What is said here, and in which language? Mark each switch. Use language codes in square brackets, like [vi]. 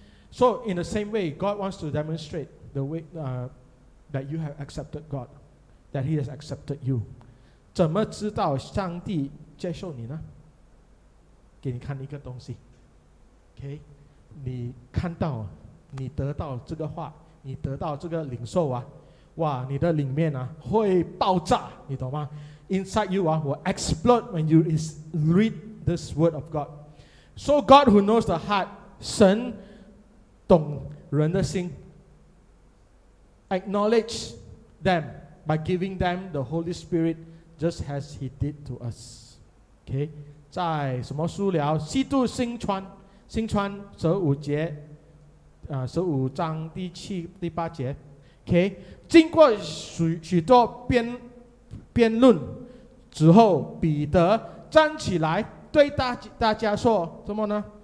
[en] So in the same way, God wants to demonstrate the way that you have accepted God, that He has accepted you。 [zh] 怎么知道上帝接受你呢？给你看一个东西 ，OK。你看到你得到这个话，你得到这个领受啊，哇，你的里面啊会爆炸，你懂吗？ [en] Inside you 啊 will explode when you read this word of God. So God who knows the heart, [zh] 神懂人的心， [en] acknowledge them by giving them the Holy Spirit just as He did to us. [zh] Okay, 在什么书了？基督新传新传十五章第七、第八节 ，OK， 经过许多辩论之后，彼得站起来对大家说什么呢？